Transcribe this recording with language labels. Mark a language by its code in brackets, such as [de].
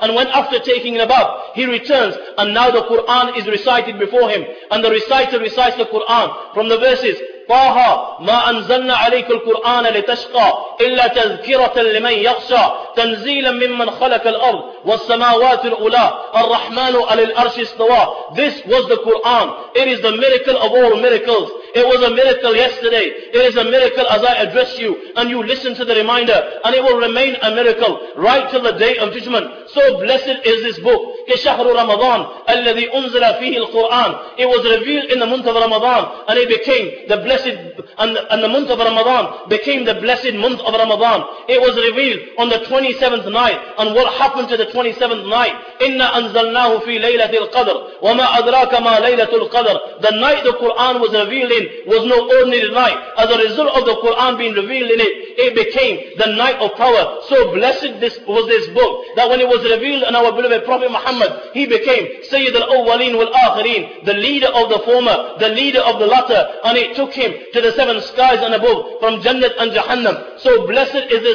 [en] And when after taking above, he returns, and now the Quran is recited before him, and the reciter recites the Quran from the verses, [ar] "طه ما أنزلنا عليك القرآن لتشقى إلا تذكرة لمن يخشى تنزيلا ممن خلق الأرض والسماوات الأولى الرحمن على الأرش استوى." [en] This was the Quran. It is the miracle of all miracles. It was a miracle yesterday. It is a miracle as I address you and you listen to the reminder, and it will remain a miracle right till the day of judgment. So blessed is this book. [ar] كشهر رمضان الذي أنزل فيه القرآن. [en] It was revealed in the month of Ramadan, and it became the blessed, and the month of Ramadan became the blessed month of Ramadan. It was revealed on the 27th night. And what happened to the 27th night? [ar] إنا أنزلناه في ليلة القدر وما أدراك ما ليلة القدر. [en] The night the Quran was revealed in was no ordinary night. As a result of the Quran being revealed in it, it became the night of power. So blessed was this book that when it was revealed on our beloved Prophet Muhammad, he became Sayyid al-Awwaleen wal-Akhireen, the leader of the former, the leader of the latter, and it took him to the seven skies and above, from Jannat and Jahannam. So blessed is this